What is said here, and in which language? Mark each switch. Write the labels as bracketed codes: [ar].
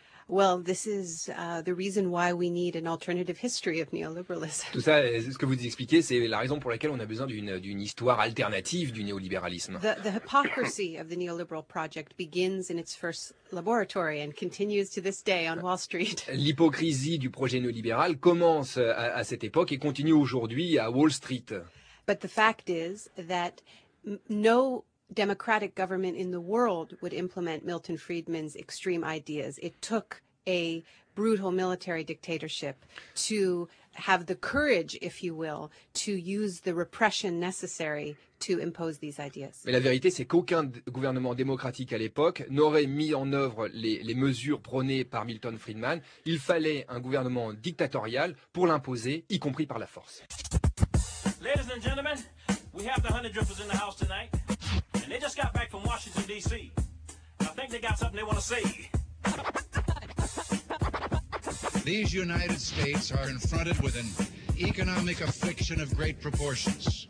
[en] Well, this is the reason why we need an alternative history of neoliberalism. [fr] Tout ça, ce que vous expliquez, c'est la raison pour laquelle on a besoin d'une histoire alternative du néolibéralisme. [en] The hypocrisy of the neoliberal project begins in its first laboratory and continues to this day on Wall Street. [fr] L'hypocrisie du projet néolibéral commence à cette époque et continue aujourd'hui à Wall Street. [en] But the fact is that no democratic government in the world would implement Milton Friedman's extreme ideas. It took a brutal military dictatorship to have the courage, if you will, to use the repression necessary to impose these ideas. [fr] Mais la vérité, c'est qu'aucun gouvernement démocratique à l'époque n'aurait mis en œuvre les mesures prônées par Milton Friedman. Il fallait un gouvernement dictatorial pour l'imposer, y compris par la force. [en] Ladies and gentlemen, we have the 100 drippers in the house tonight. And they just got back from Washington, D.C. I think they got something they want to say. These United States are confronted with an economic affliction of great proportions.